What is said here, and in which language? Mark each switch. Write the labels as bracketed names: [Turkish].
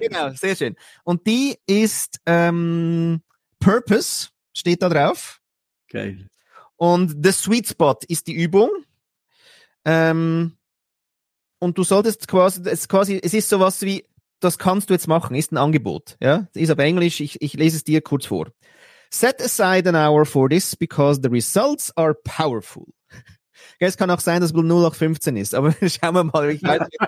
[German] Genau, sehr schön. Und die ist Purpose, steht da drauf. Okay. Und The Sweet Spot ist die Übung. Und du solltest quasi, es ist sowas wie, das kannst du jetzt machen, ist ein Angebot. Ja, ist auf Englisch, ich lese es dir kurz vor. [English] Set aside an hour for this, because the results are powerful. [German] Es kann auch sein, dass es 0815 ist, aber schauen wir mal, wie ich weiß.